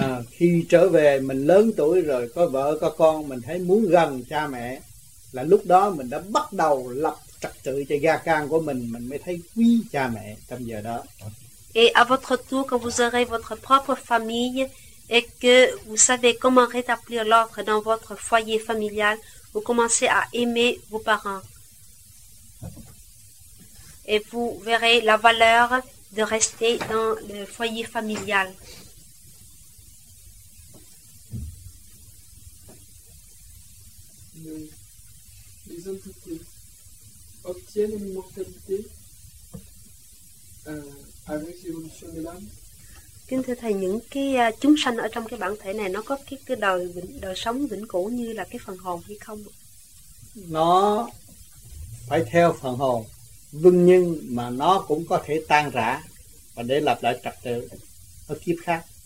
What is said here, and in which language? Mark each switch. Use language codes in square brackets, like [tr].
[vi] Khi trở về mình lớn tuổi rồi, có vợ có con, mình thấy muốn gần cha mẹ, là lúc đó mình đã bắt đầu lập trật tự cho gia can của mình mới thấy quý cha mẹ trong giờ đó. [fr] Et à votre tour, quand vous aurez votre propre famille et que vous savez comment rétablir l'ordre dans votre foyer familial, vous commencez à aimer vos parents et vous verrez la valeur de rester dans le foyer familial. Les entités obtiennent l'immortalité avec l'évolution de l'âme. [vi] Kính thưa thầy, những cái chúng sanh ở trong cái bản thể này nó có cái đời sống vĩnh cửu như là cái phần hồn hay không? Nó phải theo phần hồn vương nhưng mà nó cũng có thể tan rã và để lập lại trật tự ở kiếp khác.